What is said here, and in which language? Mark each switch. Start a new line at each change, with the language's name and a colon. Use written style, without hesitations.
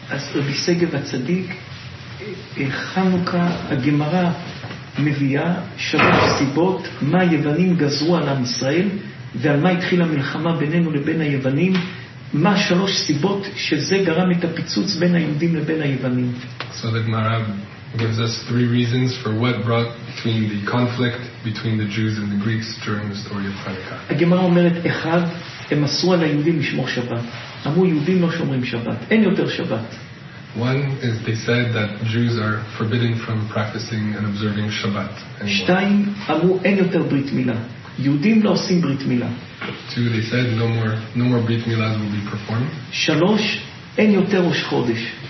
Hebrew: As Rabbi Segev HaTzadik, חנוכה, הגמרא מביאה שלוש סיבות מה היוונים גזרו על עם ישראל ועל מה התחילה מלחמה בינינו לבין היוונים, מה שלוש סיבות שזה גרם את הפיצוץ בין היהודים לבין היוונים.
English: So the Gemara gives us three reasons for what brought between the conflict between the Jews and the Greeks during the story of Hanukkah.
Hebrew: הגמרא אומרת, אחד, הם אסרו על היהודים לשמור שבת. אמרו, יהודים לא שומרים שבת, אין יותר שבת.
English: One is they said that Jews are forbidden from practicing and observing Shabbat.
Hebrew: Shtayim amru ein yoter brit mila. Yehudim lo osim brit mila.
English: Two, they said no more brit milas will be performed.
Hebrew: Shalosh ein yoter rosh chodesh.